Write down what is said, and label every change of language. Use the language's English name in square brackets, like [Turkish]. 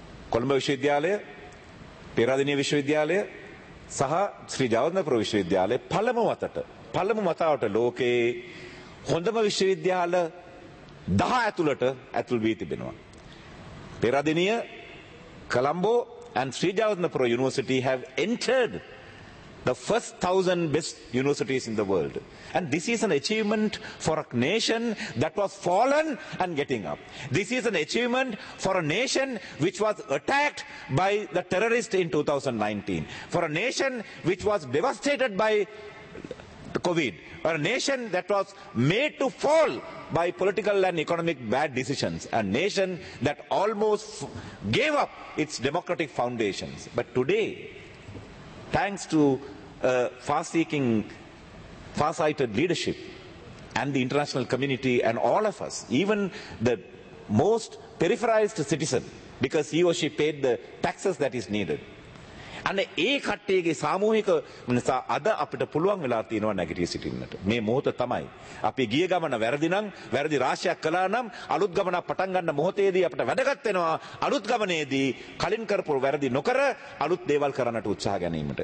[Sinhala] කොළඹ විශ්වවිද්‍යාලය, පෙරදිනිය විශ්වවිද්‍යාලය සහ ශ්‍රී ජයවර්ධනපුර විශ්වවිද්‍යාලය පළමු වතාවට ලෝකයේ හොඳම විශ්වවිද්‍යාල 10 ඇතුළට ඇතුල් වී තිබෙනවා. [English] Peradeniya, Colombo and Sri Jayawardenepura university have entered The first 1,000 best universities in the world. And this is an achievement for a nation that was fallen and getting up. This is an achievement for a nation which was attacked by the terrorists in 2019. For a nation which was devastated by COVID. For a nation that was made to fall by political and economic bad decisions. A nation that almost gave up its democratic foundations. But today, thanks to far-seeking, far-sighted leadership and the international community and all of us, even the most peripheralized citizen, because he or she paid the taxes that is needed. [Sinhala] And ඒ කට්ටියගේ සාමූහික නිසා අද අපිට පුළුවන් වෙලා තියෙනවා නැගිටි සිටින්නට. මේ මොහොත තමයි. අපි ගිය ගමන වැරදි නම්, වැරදි රාශියක් කළා නම්, අලුත් ගමනක් පටන් ගන්න මොහොතේදී අපිට වැදගත් වෙනවා අලුත් ගමනේදී කලින් කරපු වැරදි නොකර අලුත් දේවල් කරන්නට උත්සාහ ගැනීමට.